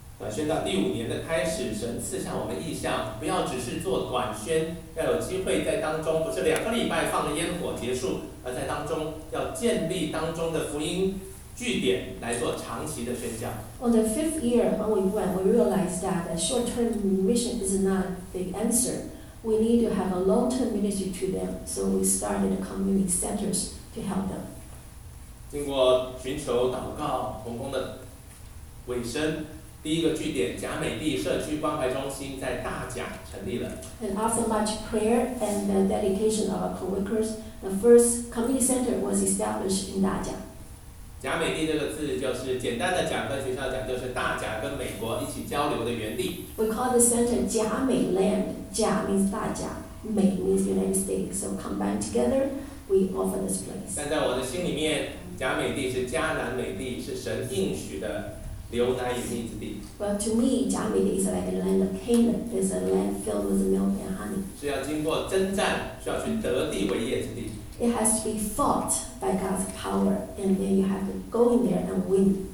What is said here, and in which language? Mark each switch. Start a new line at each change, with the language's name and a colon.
Chinese: 宣道第五年的开始，神赐下我们意象，不要只是做短宣，要有机会在当中，不是两个礼拜放了烟火结束。而在当中要建立当中的福音据点来做长期的宣教。
English: On the fifth year when we went, we realized that a short-term mission is not the answer. We need to have a long-term ministry to them. So we started community centers to help them.
Chinese: 经过寻求祷告，同工的尾声，第一个据点甲美地社区关怀中心在大甲成立了。
English: And after much prayer and the dedication of our co-workers. The first community center was established in 大甲。
Chinese: 甲美地这个字就是简单的讲，跟学校讲就是大甲跟美国一起交流的原地。
English: We call the center 甲美 land. 甲 means 大甲，美 means United States. So combined together, we offer this place.
Chinese: 但在我的心里面，甲美地是迦南美地，是神应许的牛奶与蜜之地。
English: Well, to me, 加米利 is like a land of Canaan. It's a land filled with milk and honey.
Chinese: 是要经过征战，需要去得地为业之地。
English: It has to be fought by God's power, and then you have to go in there and win.